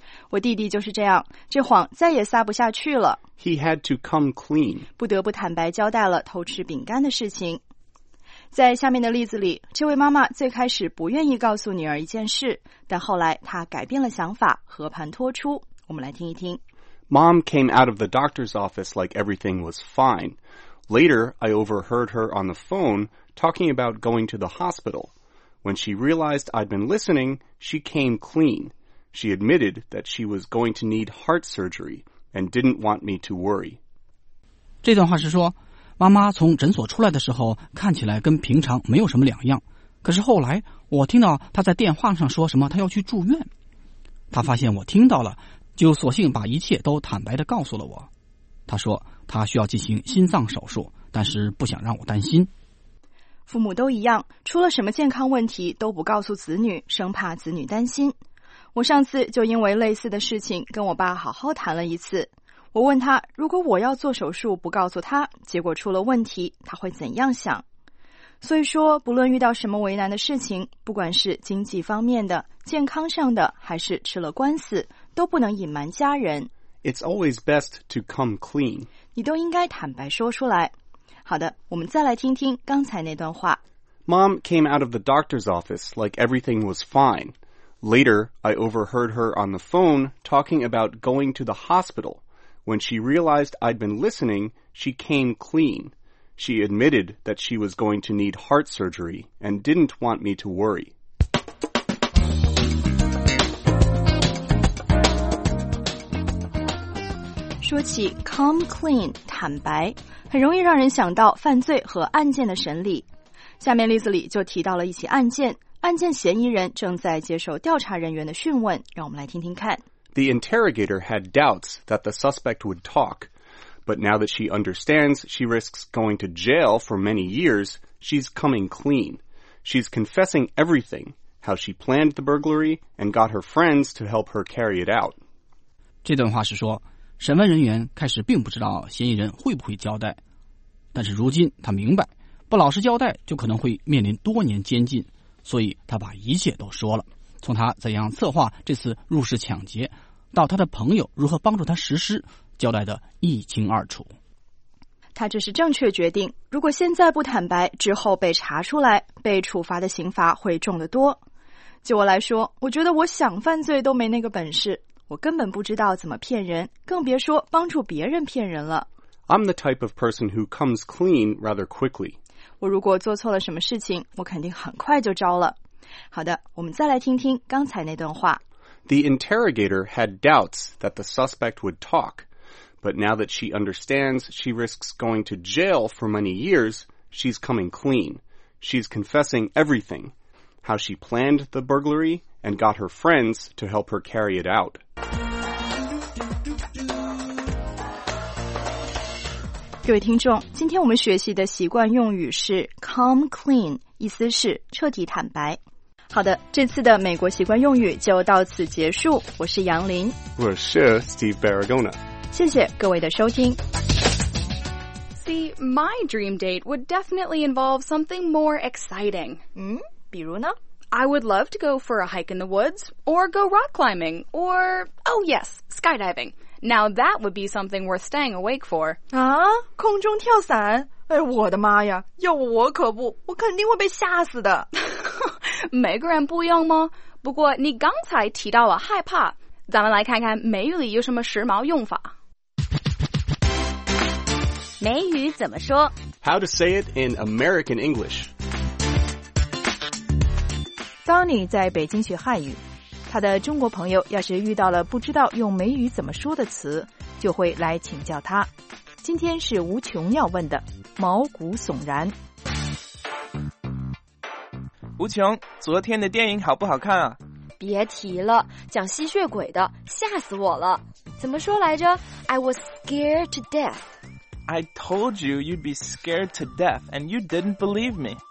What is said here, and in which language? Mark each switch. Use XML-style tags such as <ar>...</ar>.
<zh>我弟弟就是这样，这谎再也撒不下去了。</zh> <en>He had to come clean.</en> <zh>不得不坦白交代了偷吃饼干的事情。在下面的例子里，这位妈妈最开始不愿意告诉女儿一件事，但后来她改变了想法，和盘托出。我们来听一听。</zh> <en>Mom came out of the doctor's office like everything was fine. Later, I overheard her on the phone talking about going to the hospital. When she realized I'd been listening, she came clean. She admitted that she was going to need heart surgery and didn't want me to worry.</en> <zh>这段话是说，妈妈从诊所出来的时候看起来跟平常没有什么两样，可是后来我听到她在电话上说什么她要去住院，她发现我听到了，就索性把一切都坦白地告诉了我。她说她需要进行心脏手术，但是不想让我担心。父母都一样，出了什么健康问题都不告诉子女，生怕子女担心。我上次就因为类似的事情跟我爸好好谈了一次，我问他如果我要做手术不告诉他，结果出了问题，他会怎样想。所以说不论遇到什么为难的事情，不管是经济方面的、健康上的，还是吃了官司，都不能隐瞒家人。</zh> <en>It's always best to come clean.</en> <zh>你都应该坦白说出来。好的，我们再来听听刚才那段话。</zh> <en>Mom came out of the doctor's office like everything was fine. Later, I overheard her on the phone talking about going to the hospital. When she realized I'd been listening, she came clean. She admitted that she was going to need heart surgery and didn't want me to worry.</en> <zh>说起 come clean, 坦白，很容易让人想到犯罪和案件的审理。下面例子里就提到了一起案件，案件嫌疑人正在接受调查人员的讯问，让我们来听听看。</zh> <en>The interrogator had doubts that the suspect would talk, but now that she understands she risks going to jail for many years, she's coming clean. She's confessing everything, how she planned the burglary and got her friends to help her carry it out.</en> <zh>这段话是说审问人员开始并不知道嫌疑人会不会交代，但是如今他明白，不老实交代就可能会面临多年监禁，所以他把一切都说了，从他怎样策划这次入室抢劫，到他的朋友如何帮助他实施，交代得一清二楚。他这是正确决定，如果现在不坦白，之后被查出来，被处罚的刑罚会重得多。就我来说，我觉得我想犯罪都没那个本事，我根本不知道怎么骗人，更别说帮助别人骗人了。</zh> <en>I'm the type of person who comes clean rather quickly.</en> <zh>我如果做错了什么事情，我肯定很快就招了。好的，我们再来听听刚才那段话。</zh> <en>The interrogator had doubts that the suspect would talk, but now that she understands she risks going to jail for many years, she's coming clean. She's confessing everything, how she planned the burglary and got her friends to help her carry it out.</en> <zh>各位听众，今天我们学习的习惯用语是 come clean, 意思是彻底坦白。好的，这次的美国习惯用语就到此结束。我是杨林，我是 Steve Barragona。谢谢各位的收听。</zh> <en>See, my dream date would definitely involve something more exciting.</en> <zh>比如呢？</zh> <en>I would love to go for a hike in the woods, or go rock climbing, or, oh yes, skydiving. Now that would be something worth staying awake for.</en> <zh>啊，空中跳伞？哎，我的妈呀，要我可不，我肯定会被吓死的。每个人不一样吗？不过你刚才提到了害怕，咱们来看看美语里有什么时髦用法。美语怎么说？</zh> <en>How to say it in American English.</en> <zh>Donny 在北京学汉语，他的中国朋友要是遇到了不知道用美语怎么说的词，就会来请教他。今天是无穷要问的，毛骨悚然。无穷，昨天的电影好不好看啊？别提了，讲吸血鬼的，吓死我了。怎么说来着？</zh> <en>I was scared to death. I told you you'd be scared to death and you didn't believe me.</en>